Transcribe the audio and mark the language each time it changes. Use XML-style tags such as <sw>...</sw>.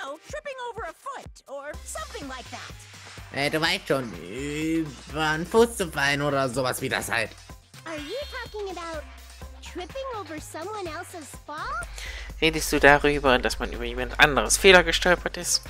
<en>Tripping over a foot or something like that.</en> <de>Du weißt schon, über einen Fuß zu fallen oder sowas wie das halt.</de> <en>Are you talking about tripping over someone else's fall?</en> <de>Redest du darüber, dass man über jemand anderes Fehler gestolpert ist?</de>